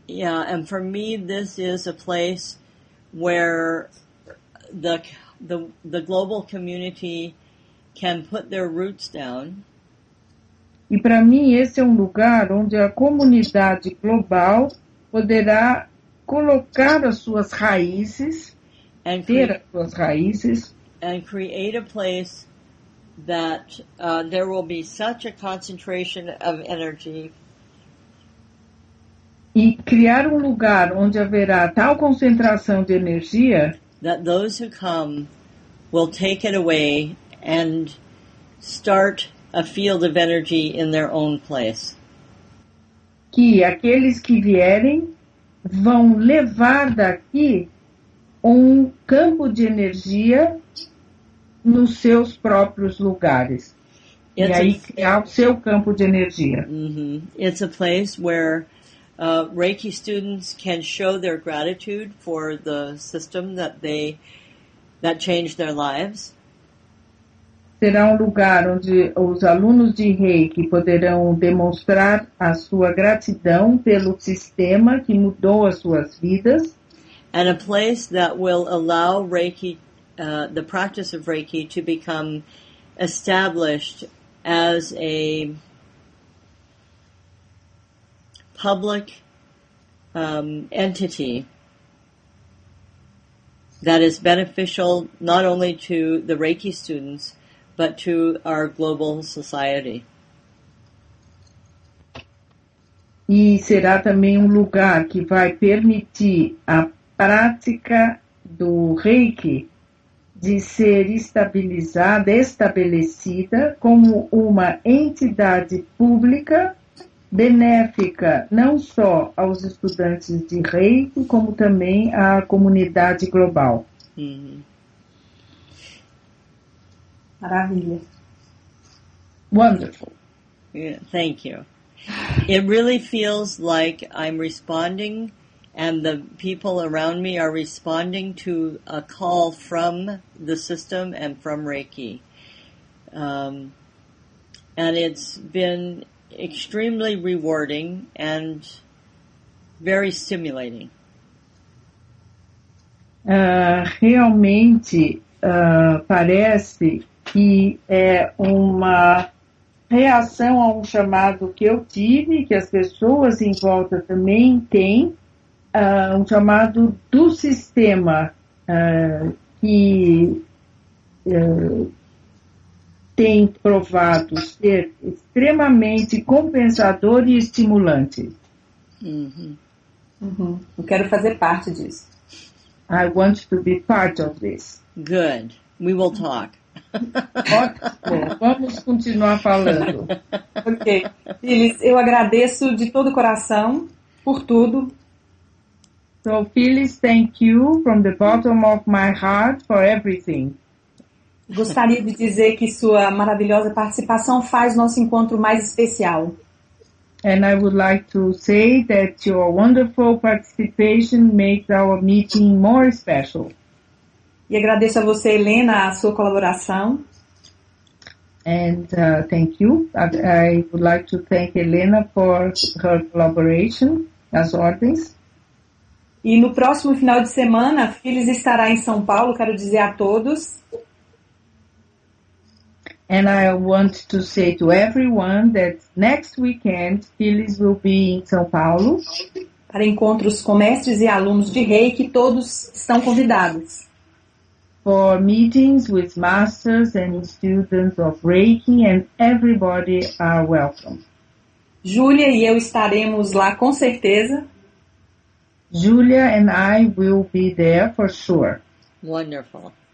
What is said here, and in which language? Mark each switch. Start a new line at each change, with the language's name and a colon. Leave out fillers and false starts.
English: Yeah, and for me this is a place where the global community can put their roots down.
Portuguese: E para mim esse é um lugar onde a comunidade global poderá colocar as suas raízes,
English: and
Portuguese: ter as suas raízes.
English: And create a place that there will be such a concentration of energy.
Portuguese: E criar um lugar onde haverá tal concentração de energia
English: that those who come will take it away and start a field of energy in their own place.
Portuguese: Que aqueles que vierem vão levar daqui um campo de energia nos seus próprios lugares.
English: It's
Portuguese: e aí criar o seu campo de energia. Mm-hmm.
English: It's a place where Reiki students can show their gratitude for the system that changed their lives.
Portuguese: Será um lugar onde os alunos de Reiki poderão demonstrar a sua gratidão pelo sistema que mudou as suas vidas.
English: And a place that will allow Reiki, the practice of Reiki, to become established as a public entity that is beneficial not only to the Reiki students, but to our global society.
Portuguese: e será também um lugar que vai permitir a prática do Reiki de ser estabilizada, estabelecida como uma entidade pública benéfica não só aos estudantes de Reiki, como também à comunidade global. Uhum. Maravilha.
English: Wonderful. Yeah, thank you. It really feels like I'm responding and the people around me are responding to a call from the system and from Reiki. And it's been extremely rewarding and very stimulating.
Portuguese: Realmente, parece que é uma reação a um chamado que eu tive, que as pessoas em volta também têm, um chamado do sistema que tem provado ser extremamente compensador e estimulante. Uhum. Uhum. Eu quero fazer parte disso.
English: I want to be part of this. Good. We will talk.
Portuguese: Ótimo. Vamos continuar falando. Ok. Phyllis, eu agradeço de todo o coração por tudo.
English: So, Phyllis, thank you from the bottom of my heart for everything.
Portuguese: Gostaria de dizer que sua maravilhosa participação faz nosso encontro mais especial.
English: And I would like to say that your wonderful participation makes our meeting more special.
Portuguese: E agradeço a você, Helena, a sua colaboração.
English: And thank you. I would like to thank Helena for her collaboration,
Portuguese: as ordens. E no próximo final de semana, Phyllis estará em São Paulo, quero dizer a todos.
English: And I want to say to everyone that next weekend, Phyllis will be in São Paulo.
Portuguese: Para encontros com mestres e alunos de Reiki, todos estão convidados.
English: For meetings with masters and students of Reiki, and everybody are welcome.
Portuguese: Júlia e eu estaremos lá com certeza.
English: Julia and I will be there for sure. Wonderful.